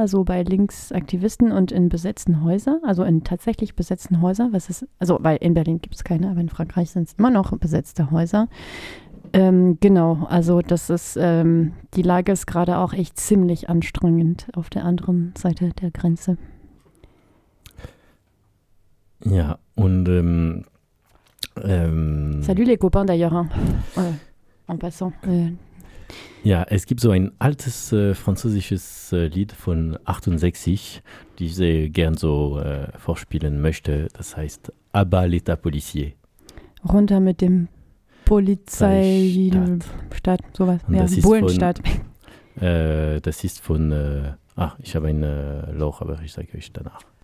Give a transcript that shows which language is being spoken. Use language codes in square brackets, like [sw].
[de] Also bei Linksaktivisten und in besetzten Häusern, also in tatsächlich besetzten Häusern, was ist, also weil in Berlin gibt es keine, aber in Frankreich sind es immer noch besetzte Häuser. Genau, also das ist, die Lage ist gerade auch echt ziemlich anstrengend auf der anderen Seite der Grenze. Ja, und [fr] Salut les copains d'ailleurs, hein. En passant. [de] Ja, es gibt so ein altes französisches Lied von 68, die ich sehr gern so vorspielen möchte. Das heißt « [fr] À bas l'état policier ». [de] Runter mit dem Polizeistaat, sowas. Ja, das Bullenstaat. Das ist von, ich habe ein Loch, aber ich sage euch danach.